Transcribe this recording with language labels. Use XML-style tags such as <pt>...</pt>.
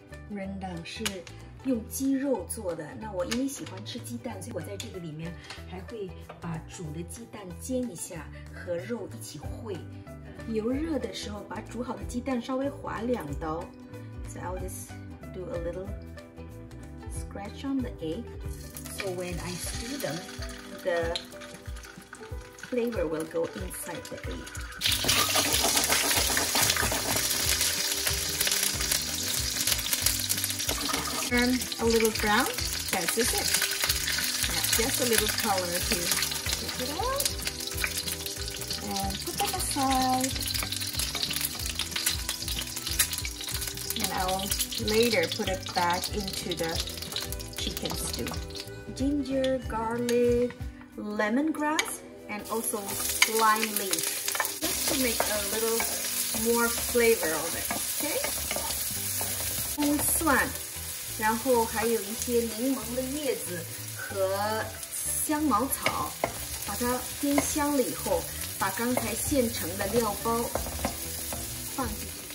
<zh>rendang 是用鸡肉做的，那我因为喜欢吃鸡蛋，所以我在这个里面还会把煮的鸡蛋煎一下，和肉一起烩。油热的时候，把煮好的鸡蛋稍微划两刀。</zh> <en>So I'll just do a little scratch on the egg. So when I stir them, the flavor will go inside the egg. Turn a little brown, that's it. Just a little color to pick it out. And put that aside. And I'll later put it back into the chicken stew. Ginger, garlic, lemongrass, and also lime leaf. Just to make a little more flavor of it, okay?</en> <zh>And 蒜然后还有一些柠檬的叶子和香茅草，把它煸香了以后，把刚才现成的料包放进去。</zh>